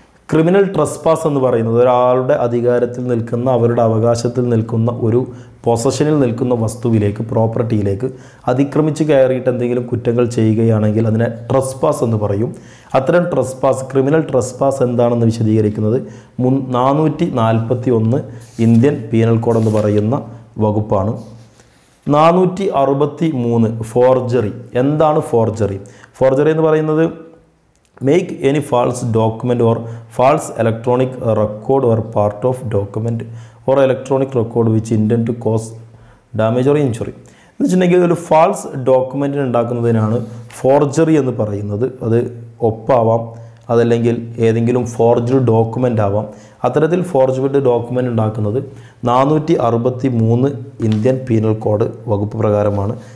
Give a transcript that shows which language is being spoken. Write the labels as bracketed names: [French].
[Malayalam] Criminal trespass എന്ന് പറയുന്നത് ഒരാളുടെ അധികാരത്തിൽ നിൽക്കുന്ന, അവരുടെ അവകാശത്തിൽ നിൽക്കുന്ന, ഒരു പൊസഷനിൽ നിൽക്കുന്ന വസ്തുവിലേക്ക്, പ്രോപ്പർട്ടിയിലേക്ക് അതിക്രമിച്ച് കയറിയിട്ട് എന്തെങ്കിലും കുറ്റങ്ങൾ ചെയ്യുകയാണെങ്കിൽ അതിനെ ട്രസ്പാസ് എന്ന് പറയും. അത്തരം ട്രസ്പാസ്, ക്രിമിനൽ ട്രസ്പാസ് എന്താണെന്ന് വിശദീകരിക്കുന്നത് 441 ഇന്ത്യൻ പീനൽ കോഡെന്ന് പറയുന്ന വകുപ്പാണ്. 463 ഫോർജറി, എന്താണ് ഫോർജറി? ഫോർജറി എന്ന് പറയുന്നത് [English] Make any false document or false electronic record or part of document or electronic record which intend to cause damage or injury. [Malayalam] എന്ന് വെച്ചിട്ടുണ്ടെങ്കിൽ ഒരു ഫാൾസ് ഡോക്യുമെൻ്റ് ഉണ്ടാക്കുന്നതിനാണ് ഫോർജറി എന്ന് പറയുന്നത്. അത് ഒപ്പാവാം, അതല്ലെങ്കിൽ ഏതെങ്കിലും ഫോർജ്ഡ് ഡോക്യുമെൻ്റ് ആവാം. അത്തരത്തിൽ ഫോർജ്ഡ് ഡോക്യുമെൻ്റ് ഉണ്ടാക്കുന്നത് 463 ഇന്ത്യൻ പീനൽ കോഡ് വകുപ്പ് പ്രകാരമാണ്.